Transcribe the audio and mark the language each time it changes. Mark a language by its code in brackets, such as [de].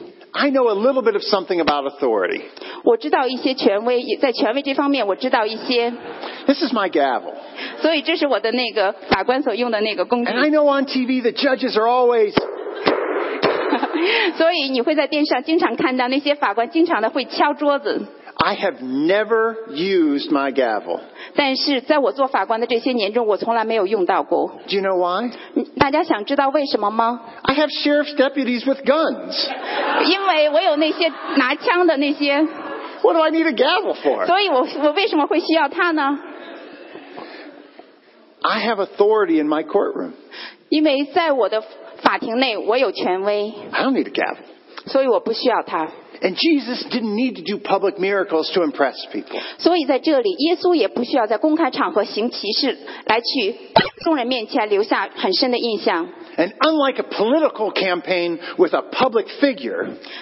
[en] I know a little bit of something about authority. [zh] 我知道一些权威, 在权威这方面, [en] this is my gavel. [zh] 所以这是我的那个, [en] and I know on TV the judges are always. [zh] 所以你会在电视上经常看到那些法官经常的会敲桌子。 [en] I have never used my gavel. [zh] 但是在我做法官的这些年中，我从来没有用到过。 [en] Do you know why? [zh] 大家想知道为什么吗？ [en] I have sheriff's deputies with guns. [zh] 因为我有那些拿枪的那些。 [en] What do I need a gavel for? [zh] 所以我为什么会需要它呢？ [en] I have authority in my courtroom. [zh] 因为在我的 法庭内我有权威, [en] I don't need a gavel. And Jesus didn't need to do public miracles to impress people. [zh] 所以在这里, 耶稣也不需要在公开场合行歧视, 来去众人面前留下很深的印象。 [en] And unlike a political campaign with a public figure,